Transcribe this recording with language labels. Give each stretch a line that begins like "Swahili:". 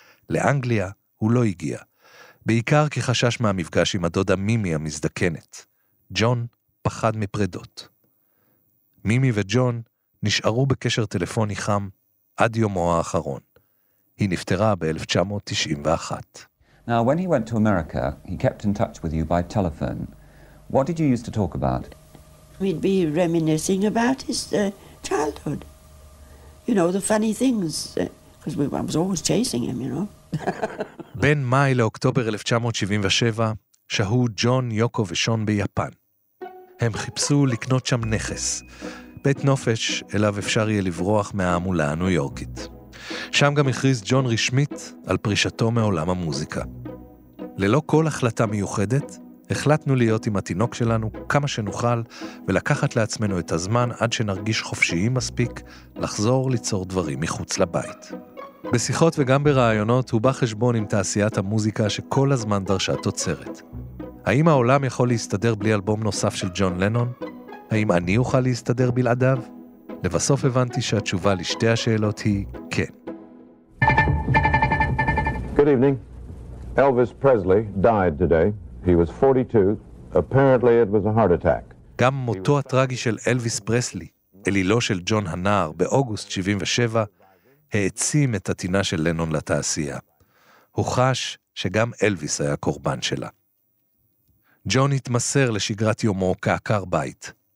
Hebrew: לאנגליה הוא לא הגיע, בעיקר כי חשש מהמפגש עם הדודה מימי המזדקנת. ג'ון פחד מפרדות. מימי וג'ון נשארו בקשר טלפוני חם עד יומו האחרון. היא נפטרה ב-1991.
English: Now when he went to America, he kept in touch with you by telephone. What did you used to talk about? We'd be reminiscing about his childhood. You know, the funny things, because I was always chasing him, you know.
Hebrew: בין מאי לאוקטובר 1977, שהו ג'ון, יוקו ושון ביפן. הם חיפשו לקנות שם נכס. בית נופש אליו אפשר יהיה לברוח מההמולה הניו יורקית. שם גם הכריז ג'ון רשמית על פרישתו מעולם המוזיקה. ללא כל החלטה מיוחדת, החלטנו להיות עם התינוק שלנו כמה שנוכל ולקחת לעצמנו את הזמן עד שנרגיש חופשיים מספיק לחזור ליצור דברים מחוץ לבית. בשיחות וגם ברעיונות הוא בא חשבון עם תעשיית המוזיקה שכל הזמן דרשה תוצרת. האם העולם יכול להסתדר בלי אלבום נוסף של ג'ון לנון? האם אני אוכל להסתדר בלעדיו? לבסוף הבנתי שהתשובה לשתי השאלות היא כן.
English: Good evening. Elvis Presley died today. He was 42. Apparently it was a heart attack.
Hebrew: גם מותו הטרגי של אלוויס פרסלי, אלילו של ג'ון הנער באוגוסט 77, העצים את התינה של לנון לתעשייה. הוא חש שגם אלוויס היה קורבן שלה. ג'ון התמסר לשגרת יומו כעקר בית.